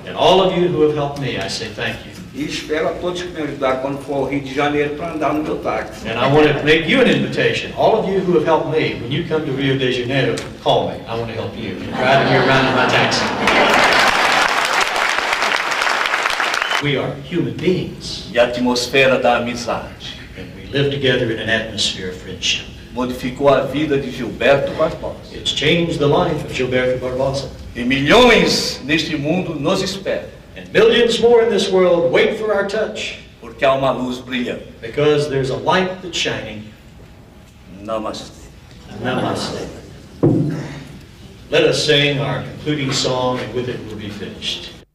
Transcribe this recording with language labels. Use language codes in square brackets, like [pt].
[en] And all of you who have helped me, I say thank you. [pt] E espero a todos que me ajudaram quando for ao Rio de Janeiro para andar no meu táxi. [en] And I want to make you an invitation. All of you who have helped me, when you come to Rio de Janeiro, call me. I want to help you. Driving you around in my taxi. We are human beings. [pt] E a atmosfera da amizade. [en] And we live together in an atmosphere of friendship. [pt] Modificou a vida de Gilberto Barbosa. [en] It's changed the life of Gilberto Barbosa. [pt] E milhões neste mundo nos esperam. [en] And millions more in this world wait for our touch. [pt] Porque há uma luz brilhante. [en] Because there's a light that's shining. Namaste. Namaste. Let us sing our concluding song, and with it we'll be finished.